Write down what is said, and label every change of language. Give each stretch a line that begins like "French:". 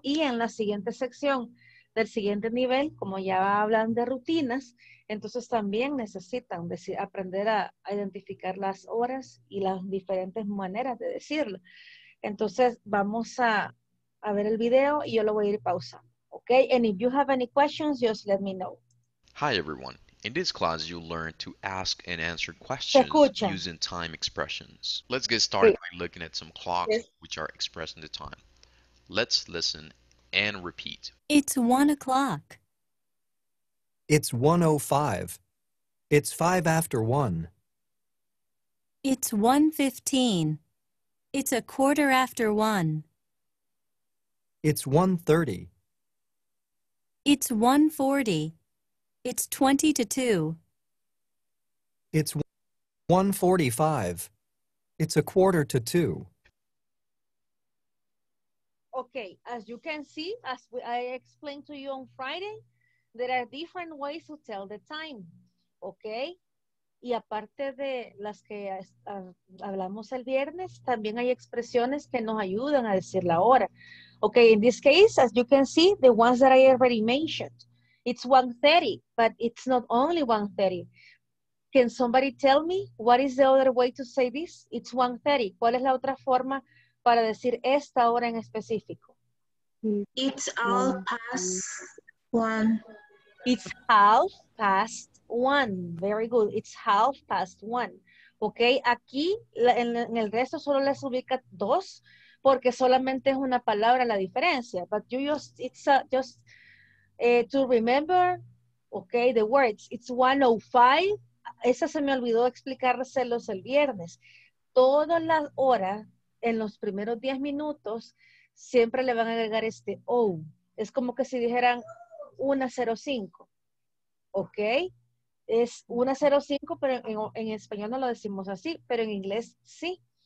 Spanish: Y en la siguiente sección del siguiente nivel, como ya hablan de rutinas, entonces también necesitan decir, aprender a identificar las horas y las diferentes maneras de decirlo. Entonces vamos a ver el video y yo lo voy a ir pausando.
English: Okay, and if you have any questions, just let me know. Hi, everyone. In this class, you'll learn to ask and answer questions using time expressions. Let's get started by looking at some clocks which are expressing the time. Let's listen and repeat. It's 1 o'clock. It's 1:05. It's 1:05. It's 1:15. It's 1:15. It's 1:30. It's 1:40. It's 1:40. It's 1:45. It's 1:15. Okay, as you can see, as I explained to you on Friday, there are different ways to tell the time. Okay?
Spanish: Y aparte de las que hablamos el viernes, también hay expresiones que nos ayudan a decir la hora.
English: Okay, in this case, as you can see, the ones that I already mentioned, it's 1:30, but it's not only 1:30. Can somebody tell me what is the other way to say this? It's 1:30.
Spanish: ¿Cuál es la otra forma para decir esta hora en específico?
English: It's all past one. It's half past one. Very good. It's half past one.
Spanish: Okay, aquí en el resto solo les ubica dos, porque solamente es una palabra la diferencia.
English: But you just, it's just to remember, okay, the words. It's 1:05.
Spanish: Esa se me olvidó explicárselos el viernes. Todas las horas, en los primeros 10 minutos, siempre le van a agregar este O. Es como que si dijeran 1:05. Okay? Es 1:05, pero en español no lo decimos así, pero en inglés sí.